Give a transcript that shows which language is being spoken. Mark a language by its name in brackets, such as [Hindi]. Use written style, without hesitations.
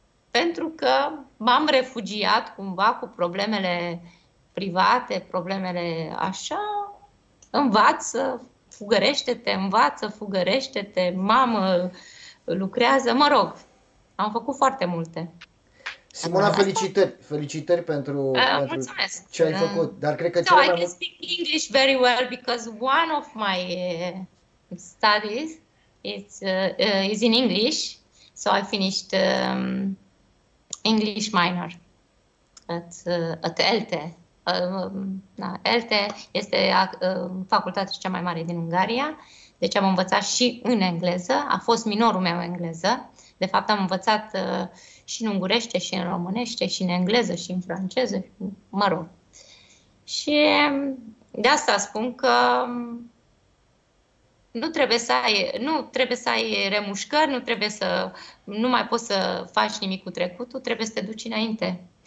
[Romanian] Pentru că m-am refugiat cumva cu problemele private, problemele așa, învață, fugărește-te, mamă, lucrează, mă rog, am făcut foarte multe. Simona, felicitări pentru ce ai făcut. Dar cred că [English] so I can speak English very well because one of my studies is in English. So I finished English minor at ELTE. [Romanian] ELTE este facultatea cea mai mare din Ungaria. Deci am învățat și în engleză. A fost minorul meu engleză. De fapt, am învățat și în ungurește, și în românește, și în engleză, și în franceză, mă rog. Și de asta spun că nu trebuie să ai remușcări, nu mai poți să faci nimic cu trecutul, trebuie să te duci înainte.